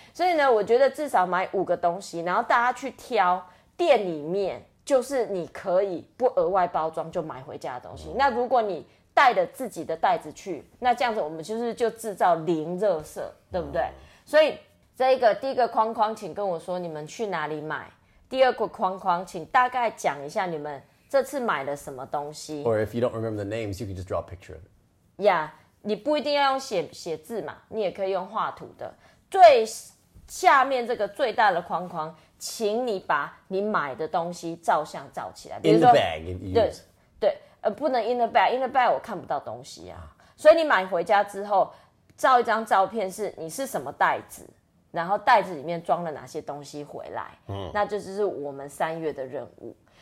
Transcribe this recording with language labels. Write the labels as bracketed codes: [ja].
[zh] 所以呢，我觉得至少买五个东西，然后大家去挑店里面，就是你可以不额外包装就买回家的东西。那如果你带着自己的袋子去，那这样子我们就是就制造零垃圾，对不对？所以这一个第一个框框，请跟我说你们去哪里买。第二个框框，请大概讲一下你们这次买了什么东西。 [en] Or if you don't remember the names, you can just draw a picture of it. [zh] Yeah, 你不一定要用写字嘛，你也可以用画图的。最下面这个最大的框框，请你把你买的东西照相照起来。 [en] In the bag, if you use. [zh] 对，不能 [en] in the bag， [zh] in the bag 我看不到东西啊。所以你买回家之后，照一张照片是你是什么袋子，然后袋子里面装了哪些东西回来，那就是我们三月的任务。